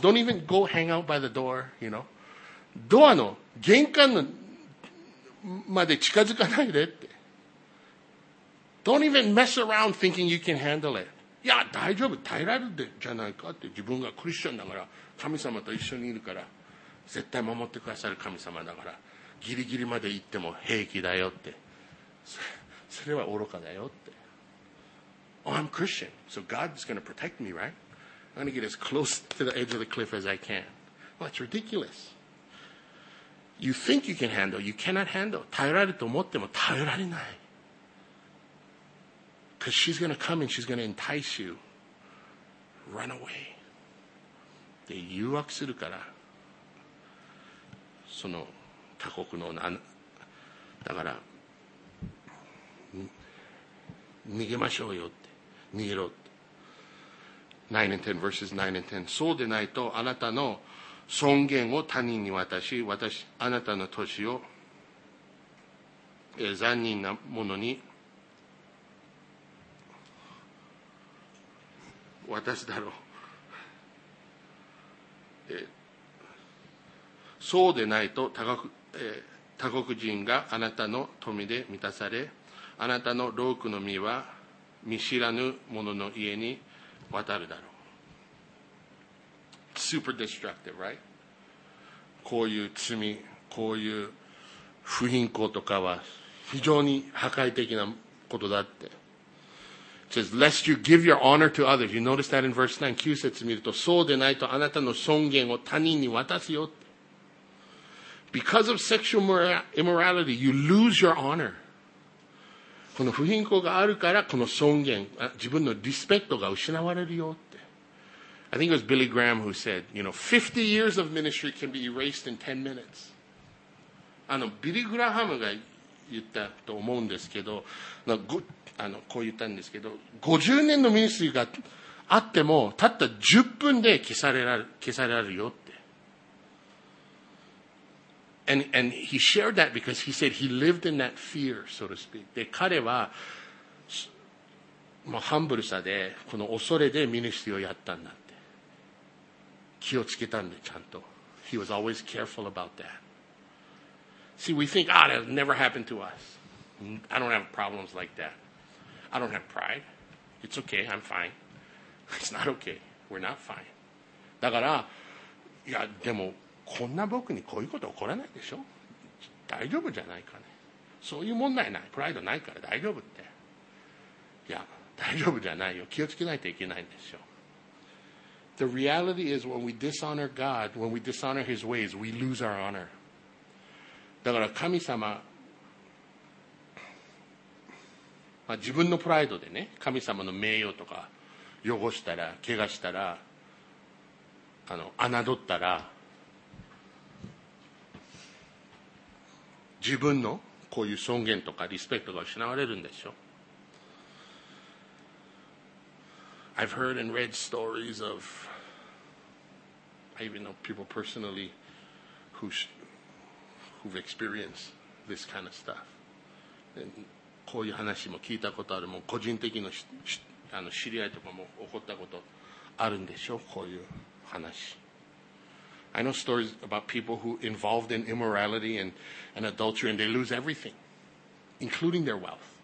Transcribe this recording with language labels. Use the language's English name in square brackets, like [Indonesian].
[English] Don't even go hang out by the door, you know. [Japanese] ドアの玄関のまで近づかないでって。 [English] Don't even mess around thinking you can handle it. [Japanese] いや、大丈夫。耐えられるじゃないかって。自分がクリスチャンだから、神様と一緒にいるから、絶対守ってくださる神様だから、ギリギリまで行っても平気だよって。それは愚かだよって。 [English] Oh, I'm Christian, so God's going to protect me, right? I'm going to get as close to the edge of the cliff as I can. Well, that's ridiculous. You think you can handle, you cannot handle. [Japanese] 耐えられると思っても耐えられない。 [English] Because she's going to come and she's going to entice you. Run away. [Japanese] で、誘惑するから、その他国の、だから、逃げましょうよって。逃げろ。 [English] 9 and 10 verses 9 and 10。 [Japanese] そうでないとあなたの尊厳を他人に渡し、私あなたの年を残忍なものに渡すだろう。そうでないと他国人があなたの富で満たされ、あなたの労苦の身は見知らぬ者の家に渡るだろう。 [English] Super destructive, right? [Japanese] こういう罪、こういう不貧困とかは非常に破壊的なことだって。 [English] It says, lest you give your honor to others. You notice that in verse 9, [Japanese] 9節見ると、そうでないとあなたの尊厳を他人に渡すよって。 [English] Because of sexual immorality, you lose your honor. [Japanese] この不貧困があるから、この尊厳、自分のリスペクトが失われるよって。 [English] I think it was Billy Graham who said, you know, 50 years of ministry can be erased in 10 minutes. [Japanese] あの、ビリー・グラハムが言ったと思うんですけど、こう言ったんですけど、50年のミニストリーがあっても、たった10分で消されられるよって。 [English] And he shared that because he said he lived in that fear, so to speak. [Japanese] で、彼は、まあ、ハンブルさで、この恐れでミニストリーをやったんだって。気をつけたんで、ちゃんと。 [English] He was always careful about that. See, we think, ah, that'll never happen to us. I don't have problems like that. I don't have pride. It's okay, I'm fine. It's not okay. We're not fine. [Japanese] だから、いや、でも、こんな僕にこういうこと起こらないでしょ、大丈夫じゃないかね、そういう問題ない、プライドないから大丈夫って。いや、大丈夫じゃないよ、気をつけないといけないんですよ。 [English] The reality is when we dishonor God, when we dishonor his ways, we lose our honor. [Japanese] だから神様、まあ、自分のプライドでね、神様の名誉とか汚したら、怪我したら、侮ったら、自分のこういう尊厳とかリスペクトが失われるんでしょ。 [English] I've heard and read stories of, I even know people personally who've experienced this kind of stuff. [Japanese] こういう話も聞いたことある。もう個人的な知り合いとかも起こったことあるんでしょ、こういう話。 [English] I know stories about people who involved in immorality and adultery and they lose everything, including their wealth.